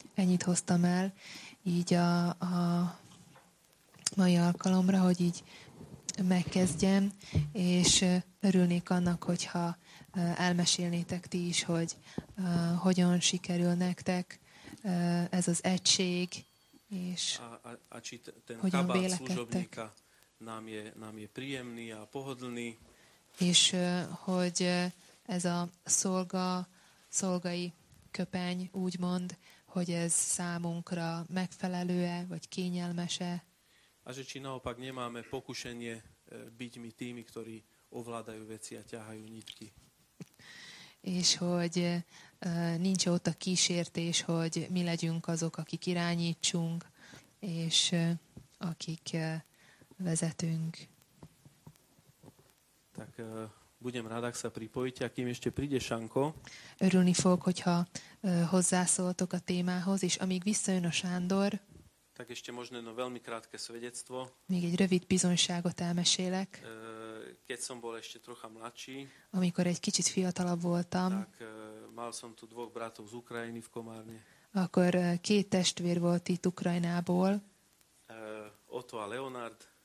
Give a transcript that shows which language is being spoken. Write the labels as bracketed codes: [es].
[hu] Ennyit hoztam el, így a mai alkalomra, hogy így megkezdjem, és örülnék annak, hogyha elmesélnétek ti is, hogy hogyan sikerül nektek ez az egység, és hogyan vélekedtek. [sk] Nám je príjemný a pohodlný. [hu] És hogy ez a szolgai köpeny úgymond, hogy ez számunkra megfelelő-e, vagy kényelmes-e. [sk] A že či naopak nemáme pokušenie byť mi tými, ktorí ovládajú veci a ťahajú nitky. [hu] És hogy nincs ott a kísértés, hogy mi legyünk azok, akik irányítsunk, és akik vezetünk. [sk] Tak budem rád, ak sa pripojíte, akým ešte príde Sanko. [hu] Örülni fog, hogyha hozzászóltok a témához, és amíg visszajön a Sándor, [sk] tak ešte možno jedno veľmi krátke svedectvo. [hu] Még egy rövid bizonyságot elmesélek. [sk] Keď som bol ešte trocha mladší, [hu] amikor egy kicsit fiatalabb voltam, [sk] tak mal som tu dvoch bratov z Ukrajiny v Komárne. [hu] Akkor két testvér volt itt Ukrajnából. [sk] Otto a Leonard.